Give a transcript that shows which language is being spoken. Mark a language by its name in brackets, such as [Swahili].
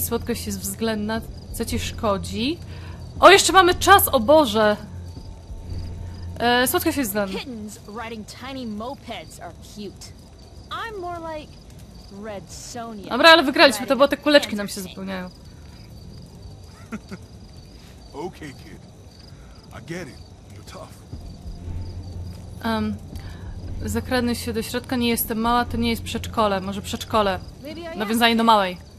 [Polish] Słodkość jest względna. Co ci szkodzi? O, jeszcze mamy czas, o Boże! Słodkość jest względna. [English] Kittens riding tiny mopeds are cute. I'm more like Red Sonia. [Polish] Dobra, ale wygraliśmy to, bo te kuleczki nam się zapełniają. [English] Okay, kid. I get it. You're tough. [Polish] Zakradnę się do środka, nie jestem mała, to nie jest przedszkole. Może przedszkole. Nawiązanie do małej.